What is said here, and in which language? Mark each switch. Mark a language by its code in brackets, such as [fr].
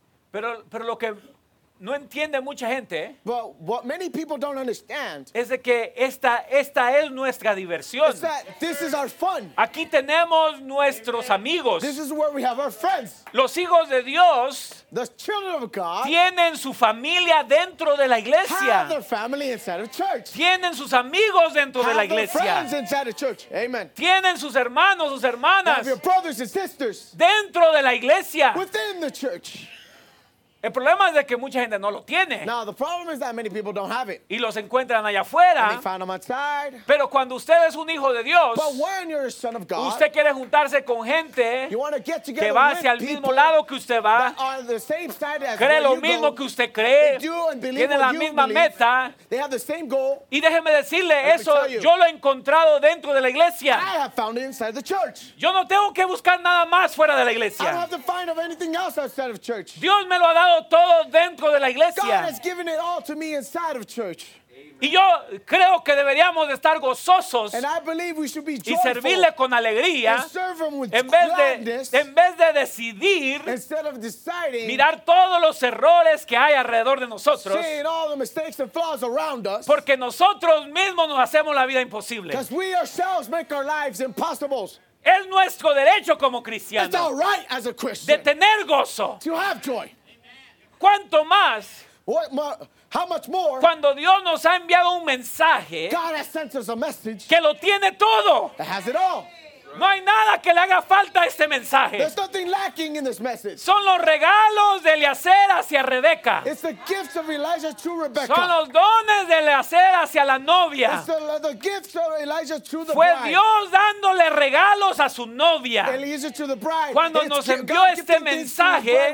[es] Pero lo que no entiende mucha gente, [en] but what many people don't understand, [es] es de que esta es nuestra diversión. [en] Is that this is our fun. [es] Aquí tenemos nuestros amigos. [en] This is where we have our friends. [es] Los hijos de Dios, [en] the children of God, [es] tienen su familia dentro de la iglesia. [en] Have their family inside of church. [es] Tienen sus amigos dentro [en] have [es] de la iglesia. [en] Their friends inside of church. Amen. [es] Tienen sus hermanos, sus hermanas, [en] have your brothers and sisters [es] dentro de la iglesia. [en] Within the church. [es] El problema es de que mucha gente no lo tiene. [en] Now, the problem is that many people don't have it. [es] Y los encuentran allá afuera. [en] And they find them outside. [es] Pero cuando usted es un hijo de Dios, [en] but when you're a son of God, [es] usted quiere juntarse con gente [en] you want to get together [es] que va hacia el mismo lado que usted va, [en] that are the same side as [es] cree lo mismo [en] go, [es] que usted cree, [en] they do and believe [es] tiene la [en] you [es] misma [en] believe. [es] Meta. [en] They have the same goal. [es] Y déjeme decirle, let eso yo lo he encontrado dentro de la iglesia. [en] I have found it inside the church. [es] Yo no tengo que buscar nada más fuera de la iglesia. [en] I don't have to find of anything else outside of church. [es] Dios me lo ha dado todo dentro de la iglesia. [en] God has given it all to me inside of church. [es] Y yo creo que deberíamos de estar gozosos [en] and I believe we should be joyful [es] y servirle con alegría [en] and serve him with [es] en vez de decidir [en] instead of deciding, [es] mirar todos los errores que hay alrededor de nosotros [en] seeing all the mistakes and flaws around us, [es] porque nosotros mismos nos hacemos la vida imposible. [en] Because we ourselves make our lives impossible. [es] Es nuestro derecho como cristianos [en] it's our right as a Christian, [es] de tener gozo [en] to have joy. [es] ¿Cuánto más? [en] How much more? [es] Cuando Dios nos ha enviado un mensaje, [en] God has sent us a message [es] que lo tiene todo. [en] That has it all. [es] No hay nada que le haga falta a este mensaje. [en] There's nothing lacking in this message. [es] Son los regalos de Eliezer hacia Rebeca. [en] It's the gifts of Elijah to Rebecca. [es] Son los dones de Eliezer hacia la novia. [en] It's the gifts of Elijah to the bride. [es] Fue Dios dándole regalos a su novia. [en] Eliezer to the bride. [es] Cuando nos envió este mensaje,